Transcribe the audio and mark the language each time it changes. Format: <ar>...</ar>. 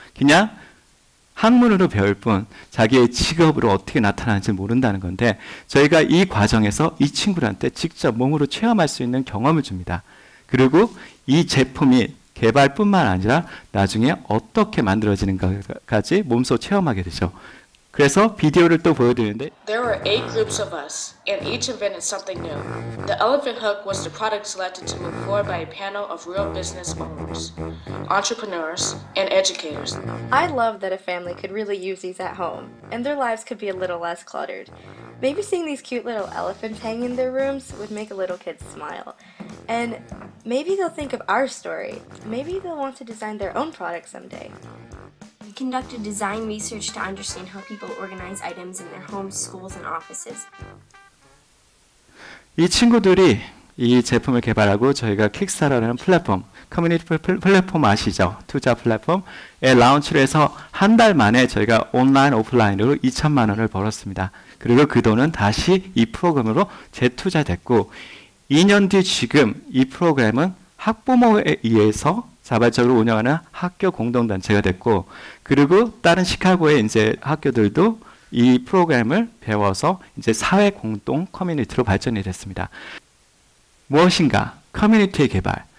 <ko>그냥 학문으로 배울 뿐 자기의 직업으로 어떻게 나타나는지 모른다는 건데 저희가 이 과정에서 이 친구들한테 직접 몸으로 체험할 수 있는 경험을 줍니다. 그리고 이 제품이 개발뿐만 아니라 나중에 어떻게 만들어지는가까지 몸소 체험하게 되죠. 그래서 비디오를 또 보여드리는데</ko> <en>There are eight groups of us, and each invented something new. The elephant hook was the product selected to move forward by a panel of real business owners, entrepreneurs, and educators. I love that a family could really use these at home, and their lives could be a little less cluttered. Maybe seeing these cute little elephants hang in their rooms would make a little kid smile. And maybe they'll think of our story. Maybe they'll want to design their own product someday. We conducted design research to understand how people organize items in their homes, schools, and offices.</en> <ko>이 친구들이 이 제품을 개발하고 저희가 킥스타터라는 플랫폼, 커뮤니티 플랫폼 아시죠? 투자 플랫폼에 라운치를 해서 한 달 만에 저희가 온라인, 오프라인으로 2천만 원을 벌었습니다. 그리고 그 돈은 다시 이 프로그램으로 재투자됐고 2년 뒤 지금 이 프로그램은 학부모에 의해서 자발적으로 운영하는 학교 공동단체가 됐고 그리고 다른 시카고의 이제 학교들도 이 프로그램을 배워서 이제 사회 공동 커뮤니티로 발전이 됐습니다. 무엇인가? 커뮤니티의 개발.</ko>